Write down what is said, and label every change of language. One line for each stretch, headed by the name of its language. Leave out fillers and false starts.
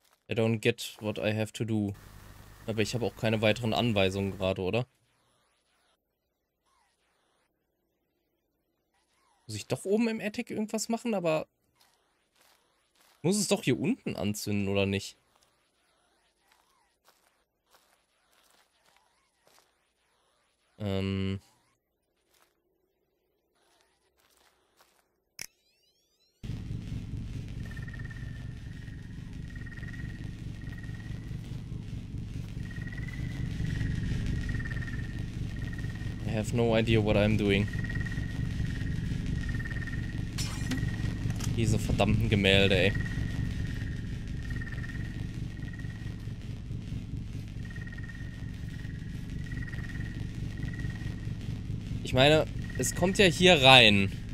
English: I don't get what I have to do.
German: Aber ich habe auch keine weiteren Anweisungen gerade, oder? Muss ich doch oben im Attic irgendwas machen, aber... Muss es doch hier unten anzünden, oder nicht?
English: I have no idea what I'm doing.
German: Diese verdammten Gemälde, ey. Ich meine, es kommt ja hier rein.